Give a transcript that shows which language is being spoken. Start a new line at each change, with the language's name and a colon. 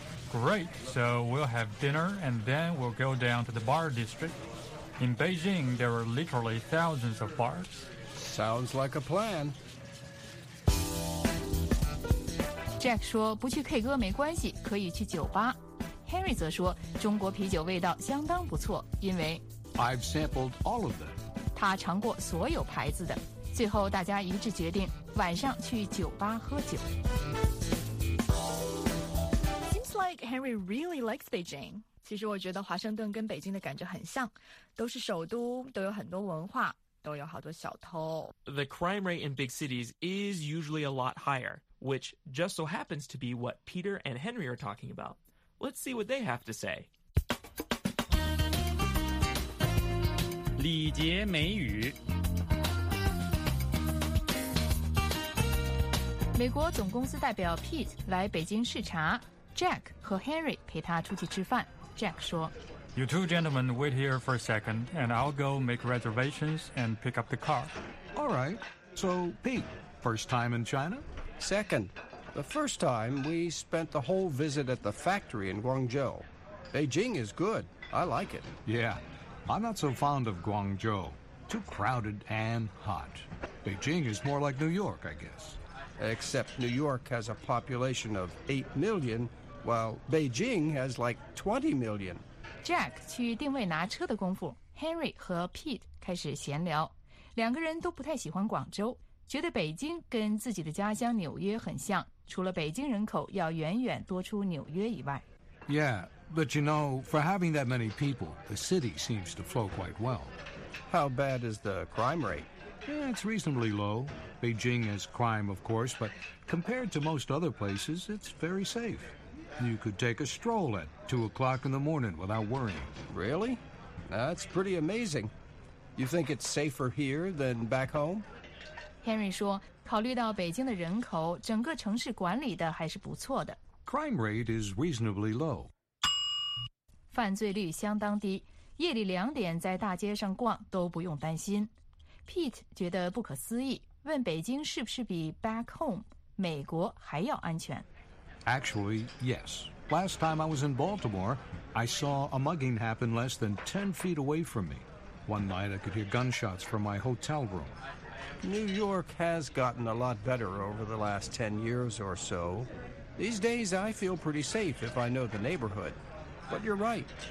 English: Great. So we'll have dinner, and then we'll go down to the bar district. In Beijing, there are literally thousands of bars. Sounds like a plan.
Chinese: Jack 说不去 K 歌没关系，可以去酒吧。Harry 则说中国啤酒味道相当不错，因为
English: I've sampled all of them.
Chinese: 他尝过所有牌子的。最后大家一致决定晚上去酒吧喝酒。
English: Seems like Harry really likes Beijing.
Chinese: 其实我觉得华盛顿跟北京的感觉很像，都是首都，都有很多文化，都有好多小偷。
English: The crime rate in big cities is usually a lot higher, which just so happens to be what Peter and Henry are talking about. Let's see what they have to say.
Chinese: 礼节美语。美国总公司代表 Pete 来北京视察， Jack 和 Harry 陪他出去吃饭。 Jack 说
English: You two gentlemen wait here for a second and I'll go make reservations and pick up the car. All right. So, Pete, first time in China? Second. The first time we spent the whole visit at the factory in Guangzhou. Beijing is good. I like it. Yeah. I'm not so fond of Guangzhou. Too crowded and hot. Beijing is more like New York, I guess. Except New York has a population of 8 million, while Beijing has like 20 million.
Chinese: Jack 去定位拿车的功夫， Henry 和 Pete 开始闲聊。两个人都不太喜欢广州，觉得北京跟自己的家乡纽约很像，除了北京人口要远远多出纽约以外。
English: Yeah, but you know, for having that many people, the city seems to flow quite well. How bad is the crime rate? Yeah, it's reasonably low. Beijing has crime, of course, but compared to most other places, it's very safe. You could take a stroll at 2 o'clock in the morning without worrying. Really? That's pretty amazing. You think it's safer here than back home?
Chinese: Henry 说，考虑到北京的人口，整个城市管理的还是不错的。
English: Crime rate is reasonably low.
Chinese: 犯罪率相当低，夜里两点在大街上逛都不用担心。 Pete 觉得不可思议，问北京是不是比
English: back home
Chinese: 美国还要安全。
English: Actually, yes. Last time I was in Baltimore, I saw a mugging happen less than 10 feet away from me. One night I could hear gunshots from my hotel room. New York has gotten a lot better over the last 10 years or so. These days I feel pretty safe if I know the neighborhood. But you're right.